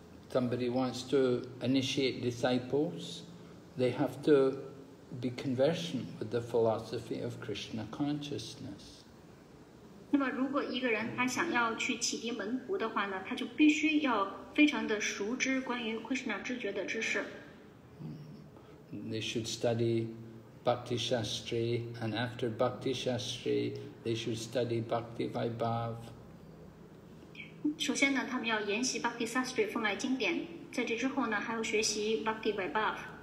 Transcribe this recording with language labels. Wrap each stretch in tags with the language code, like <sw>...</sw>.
<en>Somebody wants to initiate disciples, they have to be conversant with the philosophy of Krishna consciousness.</en> <zh>那么如果一个人他想要去启迪门徒的话呢，他就必须要非常的熟知关于 Krishna 知觉的知识。</zh> <en>They should study Bhakti Shastri, and after Bhakti Shastri, they should study Bhakti Vaibhav.</en> <zh>首先呢，他们要研习 Bhakti Shastri 风来经典，在这之后呢，还要学习 Bhakti Vaibhav.</zh>